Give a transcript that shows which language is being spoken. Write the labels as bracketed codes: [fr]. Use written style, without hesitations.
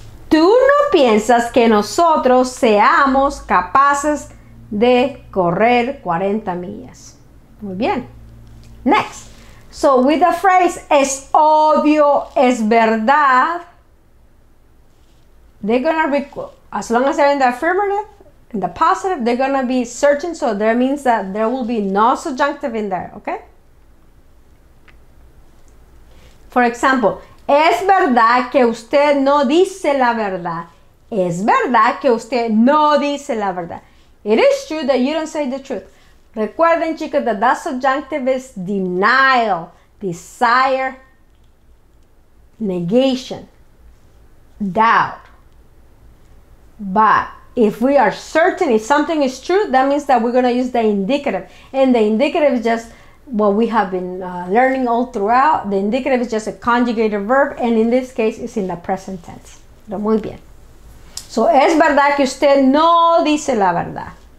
[es] Tú no piensas que nosotros seamos capaces de correr 40 millas. Muy bien. [en] Next. So with the phrase, es obvio, es verdad, they're going to recall, as long as they're in the affirmative, in the positive, they're going to be searching. So that means that there will be no subjunctive in there, okay? [es] For example, es verdad que usted no dice la verdad. Es verdad que usted no dice la verdad. [en] It is true that you don't say the truth. [es] Recuerden, chicos, [en] that the subjunctive is denial, desire, negation, doubt. But if we are certain, if something is true, that means that we're going to use the indicative. And the indicative is just what we have been learning all throughout. The indicative is just a conjugated verb, and in this case, it's in the present tense. [es] Muy bien. So, es verdad que usted no dice la verdad.